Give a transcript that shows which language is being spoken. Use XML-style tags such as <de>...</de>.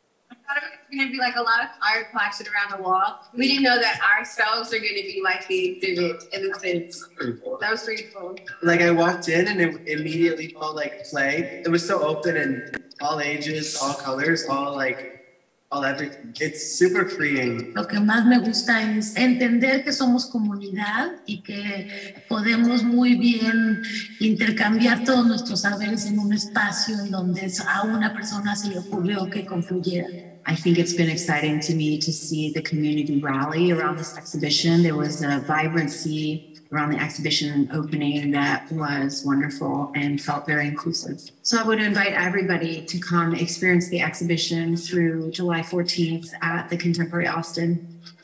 <en>I thought it was going to be like a lot of art plastered around the wall. We didn't know that ourselves are going to be likely to do it in the space. That was really cool. Like I walked in and it immediately felt like play. It was so open and all ages, all colors, it's super freeing.</en> <es>Lo que más me gusta es entender que somos comunidad y que podemos muy bien intercambiar todos nuestros saberes en un espacio en donde a una persona se le ocurrió que confluyera.</es> <en>I think it's been exciting to me to see the community rally around this exhibition. There was a vibrancy around the exhibition opening that was wonderful and felt very inclusive. So I would invite everybody to come experience the exhibition through July 14th at the Contemporary Austin.</en>